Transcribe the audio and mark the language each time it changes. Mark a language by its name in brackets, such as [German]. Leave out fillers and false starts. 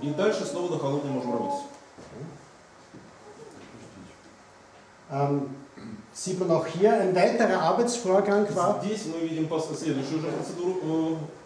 [Russian] И дальше снова на холодном можем работать. [German] Sieht man auch hier ein weiterer Arbeitsvorgang war. [Russian] Здесь мы видим после следующую уже процедуру.